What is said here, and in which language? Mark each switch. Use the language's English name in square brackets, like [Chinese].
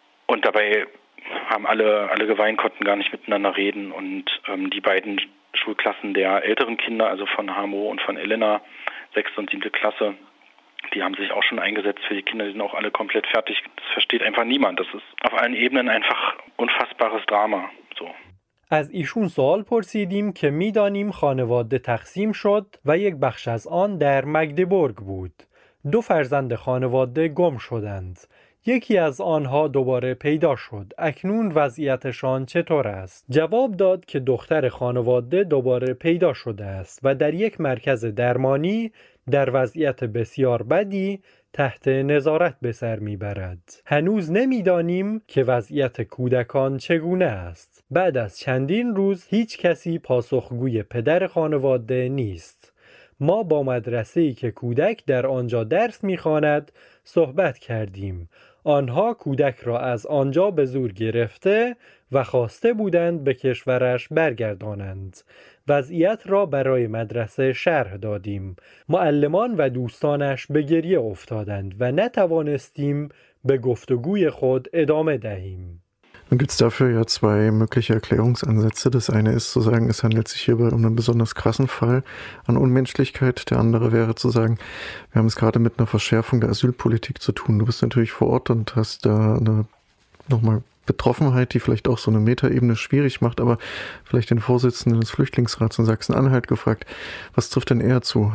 [German] Und dabei haben alle geweint, konnten gar nicht miteinander reden. Und die beiden Schulklassen der älteren Kinder, also von Hamo und von Elena, 6. und 7. Klasse, die haben sich auch schon eingesetzt für die Kinder, die sind auch alle komplett fertig. Das versteht einfach niemand. Das ist auf allen Ebenen einfach unfassbares Drama. So. [Persian] از ایشون سوال پرسیدیم که می دانیم خانواده تقسیم شد و یک بخش از آن در مگدبورگ بود. دو فرزند خانواده گم شدند. یکی از آنها دوباره پیدا شد. اکنون وضعیتشان چطور است؟ جواب داد که دختر خانواده دوباره پیدا شده است و در یک مرکز درمانی در وضعیت بسیار بدی تحت نظارت به سر می برد. هنوز نمی دانیم که وضعیت کودکان چگونه است. بعد از چندین روز هیچ کسی پاسخگوی پدر خانواده نیست. ما با مدرسه‌ای که کودک در آنجا درس می خواند صحبت کردیم. آنها کودک را از آنجا به زور گرفته و خواسته بودند به کشورش برگردانند. وضعیت را برای مدرسه شرح دادیم. معلمان و دوستانش به گریه افتادند و نتوانستیم به گفتگوی خود ادامه دهیم. [German] Dann gibt es dafür ja zwei mögliche Erklärungsansätze. Das eine ist zu sagen, es handelt sich hierbei um einen besonders krassen Fall an Unmenschlichkeit. Der andere wäre zu sagen, wir haben es gerade mit einer Verschärfung der Asylpolitik zu tun. Du bist natürlich vor Ort und hast da eine nochmal Betroffenheit, die vielleicht auch so eine Metaebene schwierig macht, aber vielleicht den Vorsitzenden des Flüchtlingsrats in Sachsen-Anhalt gefragt, was trifft denn eher zu?